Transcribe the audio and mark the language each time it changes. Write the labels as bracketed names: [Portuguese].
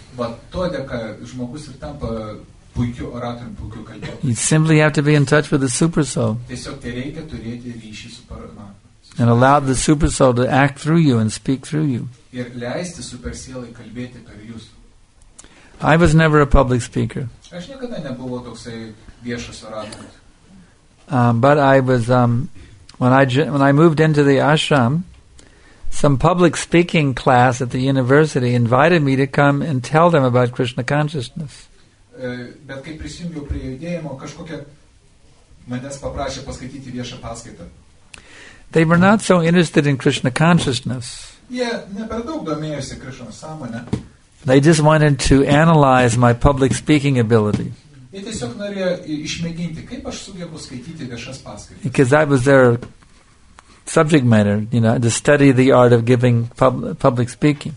[Lithuanian] Bet to dėka žmogus ir tampa puikiu oratoriumi, puikiu kalbėtoju. [English] You simply have to be in touch with the super soul. [Lithuanian] Tiesiog reikia turėti ryšį su parama. [English] And allow the super soul to act through you and speak through you. [Lithuanian] Ir leisti super sielai kalbėti per jus. [English] I was never a public speaker. [Lithuanian] Aš niekada nebuvo toksai viešas oratorius. [English] But I was when I moved into the ashram, some public speaking class at the university invited me to come and tell them about Krishna consciousness. [Lithuanian] Bet kai prisijungiau prie judėjimo, kažkokia manęs paprašė paskaityti viešą paskaitą. [English] They were not so interested in Krishna consciousness. They just wanted to analyze my public speaking ability. Because that was their subject matter, you know, to study the art of giving public speaking.